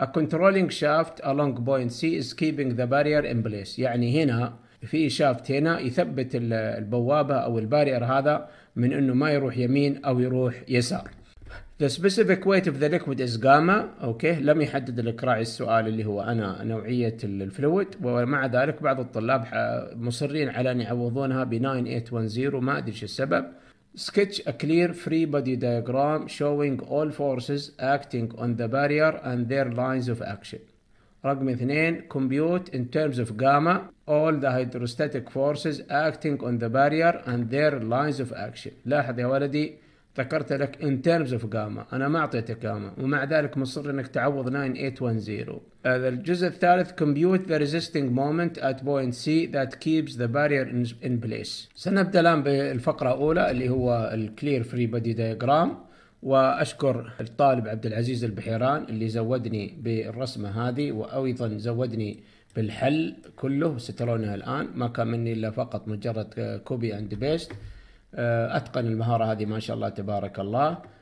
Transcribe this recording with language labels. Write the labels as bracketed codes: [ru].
[en] A controlling shaft along point C is keeping the barrier in place. [ar] يعني هنا في شافت هنا يثبت البوابة أو البارير هذا من أنه ما يروح يمين أو يروح يسار. [en] The specific weight of the liquid is gamma. [ar] أوكي. لم يحدد الإقراع السؤال اللي هو أنا نوعية الفلويد، ومع ذلك بعض الطلاب مصرين على أن يعوضونها ب 9810، ما أدري شو السبب. [en] Sketch a clear free body diagram showing all forces acting on the barrier and their lines of action. [ar] رقم 2 [en] compute in terms of gamma all the hydrostatic forces acting on the barrier and their lines of action. [ar] لاحظ يا ولدي ذكرت لك [en] in terms of gamma، [ar] أنا ما أعطيتك gamma ومع ذلك مصر أنك تعوض 9810. هذا الجزء الثالث [en] compute the resisting moment at point C that keeps the barrier in place. [ar] سنبدأ الآن بالفقرة الأولى اللي هو [en] clear free body diagram، [ar] وأشكر الطالب عبد العزيز البحيران اللي زودني بالرسمة هذه وأيضا زودني بالحل كله، سترونها الآن ما كان مني إلا فقط مجرد [en] copy and paste، [ar] أتقن المهارة هذه ما شاء الله تبارك الله.